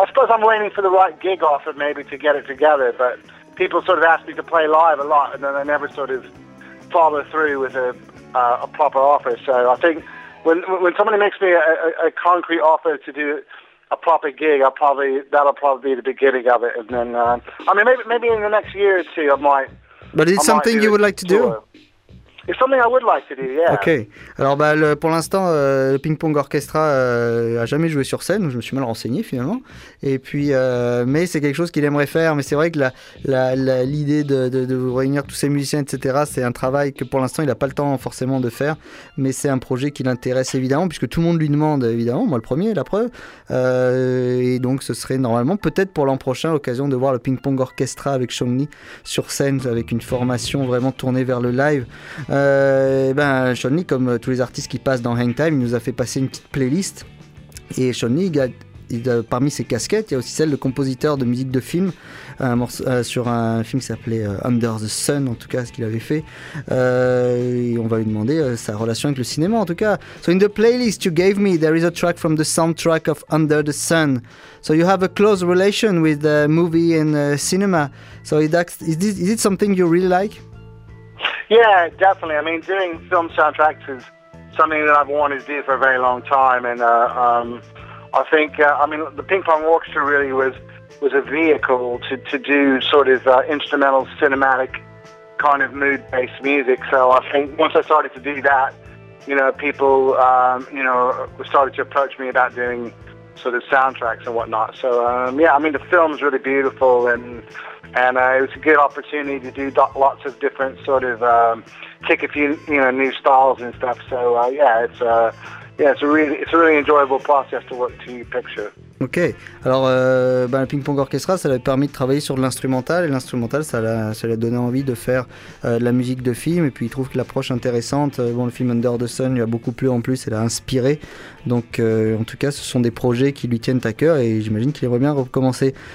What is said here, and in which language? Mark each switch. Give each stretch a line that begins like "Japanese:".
English: I suppose I'm waiting for the right gig offer maybe to get it together. But people sort of ask me to play live a lot, and then I never sort of follow through with a proper offer. So I think when somebody makes me a concrete offer to do a proper gig, that'll probably be the beginning of it. And then maybe in the next year or two I might. But is it something you would like to do? It's something I would like to do, yeah. Okay.
French: Alors, bah, pour l'instant, le Ping Pong Orchestra a jamais joué sur scène. Je me suis mal renseigné, finalement. Et puis, mais c'est quelque chose qu'il aimerait faire. Mais c'est vrai que l'idée de réunir tous ces musiciens, etc., c'est un travail que, pour l'instant, il n'a pas le temps forcément de faire. Mais c'est un projet qui l'intéresse, évidemment, puisque tout le monde lui demande, évidemment. Moi, le premier, la preuve. Et donc, ce serait normalement, peut-être pour l'an prochain, l'occasion de voir le Ping Pong Orchestra avec Chongni sur scène, avec une formation vraiment tournée vers le live. Ben Chongni, comme tous les artistes qui passent dans Hangtime, il nous a fait passer une petite playlist. Et Chongni, parmi ses casquettes, il y a aussi celle de compositeur de musique de film, sur un film qui s'appelait Under the Sun, en tout cas, ce qu'il avait fait. Et on va lui demander sa relation avec le cinéma, en tout cas.
English: So in the playlist you gave me, there is a track from the soundtrack of Under the Sun. So you have a close relation with the movie and cinema. So is it something you really like? Yeah, definitely. I mean, doing film soundtracks is something that I've wanted to do for a very long time. And I think, the Ping Pong Orchestra really was a vehicle to do sort of instrumental, cinematic kind of mood-based music. So I think once I started to do that, you know, people, started to approach me about doing sort of soundtracks and whatnot. So, the film's really beautiful and it was a good opportunity to do lots of different sort of kick a few new styles and stuff. So it's a really enjoyable process to work to your picture.
French: Ok, alors le Ping Pong Orchestra, ça l'avait permis de travailler sur l'instrumental, et l'instrumental, ça l'a donné envie de faire de la musique de film, et puis il trouve que l'approche intéressante, le film Under the Sun lui a beaucoup plu en plus, elle a inspiré, donc en tout cas ce sont des projets qui lui tiennent à cœur et j'imagine qu'il aimerait bien recommencer.